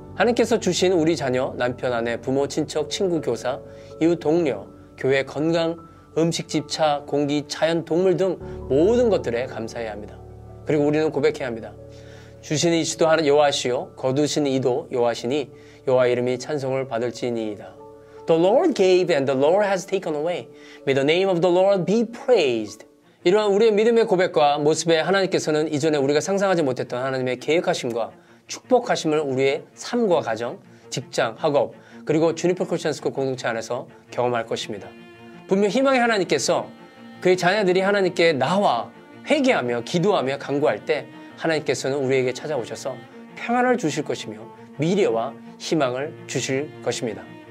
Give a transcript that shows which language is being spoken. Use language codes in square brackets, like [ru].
[ko] 하나님께서 주신 우리 자녀, 남편, 아내, 부모, 친척, 친구, 교사, 이웃, 동료, 교회, 건강, 음식, 집차, 공기, 자연, 동물 등 모든 것들에 감사해야 합니다. 그리고 우리는 고백해야 합니다. 주신 이시도 하나 여호와시요 거두신 이도 여호와시니 여호와 이름이 찬송을 받을지니이다. [en] The Lord gave and the Lord has taken away. May the name of the Lord be praised. [ko] 이러한 우리의 믿음의 고백과 모습에 하나님께서는 이전에 우리가 상상하지 못했던 하나님의 계획하심과 축복하심을 우리의 삶과 가정, 직장, 학업, 그리고 주니퍼 크리스천 스쿨 공동체 안에서 경험할 것입니다. 분명 희망의 하나님께서 그의 자녀들이 하나님께 나와 회개하며 기도하며 간구할 때 하나님께서는 우리에게 찾아오셔서 평안을 주실 것이며 미래와 희망을 주실 것입니다.